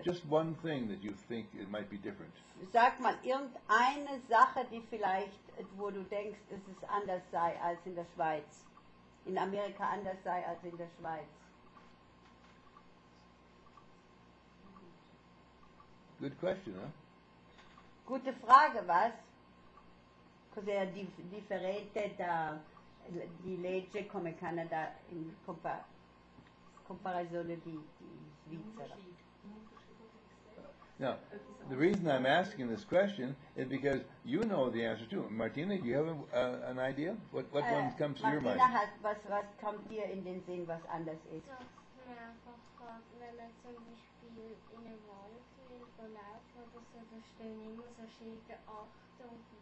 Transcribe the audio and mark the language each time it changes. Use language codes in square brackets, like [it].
[en] Just one thing that you think it might be different. [de] Sag mal irgendeine Sache, die vielleicht, wo du denkst, dass es anders sei als in der Schweiz, in Amerika anders sei als in der Schweiz. [en] Good question, huh? [de] Gute Frage, was? [it] Cos'è la differenza da di legge come Canada in comparazione di Svizzera? [en] Now, the reason I'm asking this question is because you know the answer too. Martina, do you have an idea? What one comes Martina to your mind? [de] Martina, was kommt dir in den Sinn, was anders ist? Dass man einfach fragt, wenn man zum Beispiel in den Wald geht und läuft oder so, da stehen immer so Schilder, Achtung,